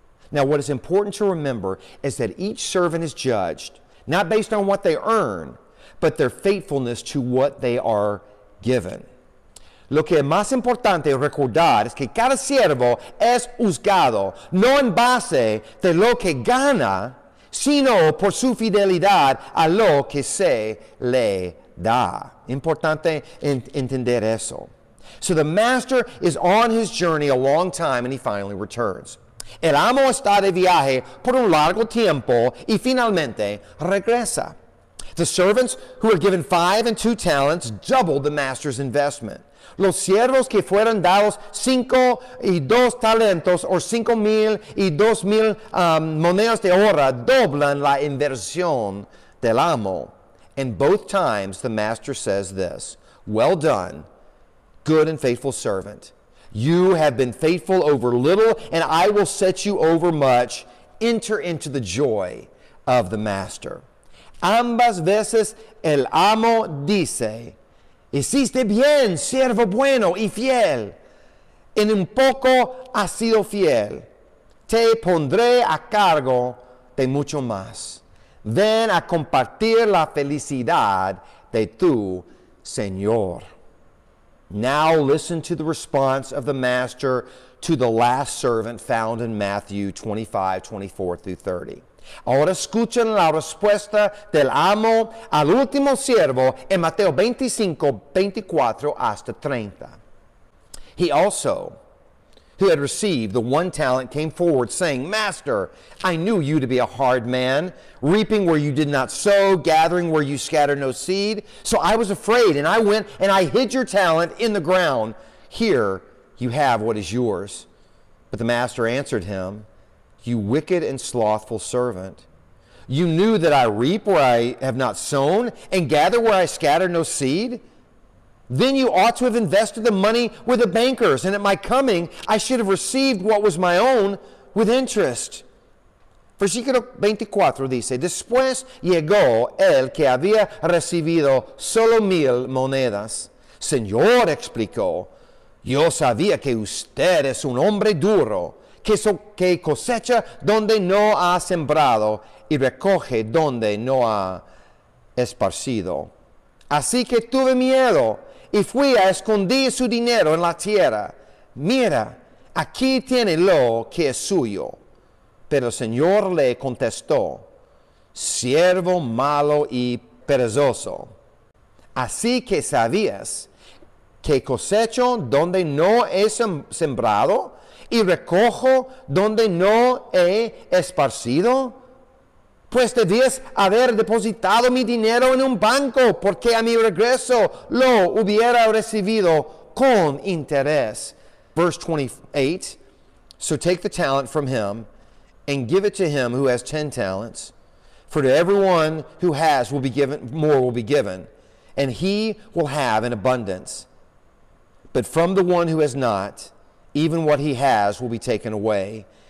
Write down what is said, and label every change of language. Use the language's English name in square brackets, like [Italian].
[English] Now, what is important to remember is that each servant is judged, not based on what they earn, but their faithfulness to what they are given. [Spanish] Lo que es más importante recordar es que cada siervo es juzgado, no en base de lo que gana, sino por su fidelidad a lo que se le da. Importante entender eso. [English] So the master is on his journey a long time and he finally returns. [Spanish] El amo está de viaje por un largo tiempo y finalmente regresa. [English] The servants who were given 5 and 2 talents doubled the master's investment. [Spanish] Los siervos que fueron dados 5 y 2 talentos, o 5,000 y 2,000 monedas de oro, doblan la inversión del amo. [English] And both times the master says this, "Well done, good and faithful servant. You have been faithful over little, and I will set you over much. Enter into the joy of the master. [Spanish] Ambas veces el amo dice, hiciste bien, siervo bueno y fiel. En un poco has sido fiel. Te pondré a cargo de mucho más. Ven a compartir la felicidad de tu Señor. [English] Now listen to the response of the master to the last servant found in Matthew 25, 24 through 30. [Spanish] Ahora escuchen la respuesta del amo al último siervo en Mateo 25, 24 hasta 30. [English] He also, who had received the one talent, came forward saying, Master, I knew you to be a hard man, reaping where you did not sow, gathering where you scattered no seed. So I was afraid, and I went and I hid your talent in the ground. Here you have what is yours. But the master answered him, You wicked and slothful servant. You knew that I reap where I have not sown and gather where I scatter no seed. Then you ought to have invested the money with the bankers, and at my coming, I should have received what was my own with interest. [Spanish] Versículo 24 dice, Después llegó el que había recibido solo 1,000 monedas. Señor, explicó, Yo sabía que usted es un hombre duro. Que cosecha donde no ha sembrado y recoge donde no ha esparcido. Así que tuve miedo y fui a esconder su dinero en la tierra. Mira, aquí tiene lo que es suyo. Pero el Señor le contestó, Siervo malo y perezoso. Así que sabías que cosecho donde no he sembrado y recojo donde no he esparcido? Pues debías haber depositado mi dinero en un banco, porque a mi regreso lo hubiera recibido con interés. [English] Verse 28, So take the talent from him and give it to him who has 10 talents. For to everyone who has will be given, more will be given, and he will have in abundance. But from the one who has not, even what he has will be taken away.